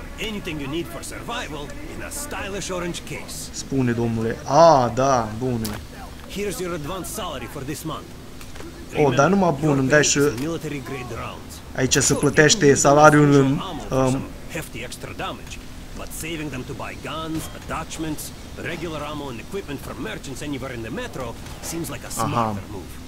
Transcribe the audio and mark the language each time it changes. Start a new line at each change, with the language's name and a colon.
English: Anything you need for survival in a stylish orange case.
Romanian: Spune, domnule. Ah, da, bune.
English: Here's your advance salary for this month.
Romanian: Oh, dar numai bun, îmi dai și
English: military grade rounds.
Romanian: Aici se plătește salariul în
English: hefty extra damage, but saving them to buy guns, attachments, regular ammo and equipment from merchants anywhere in the metro seems like a smarter move.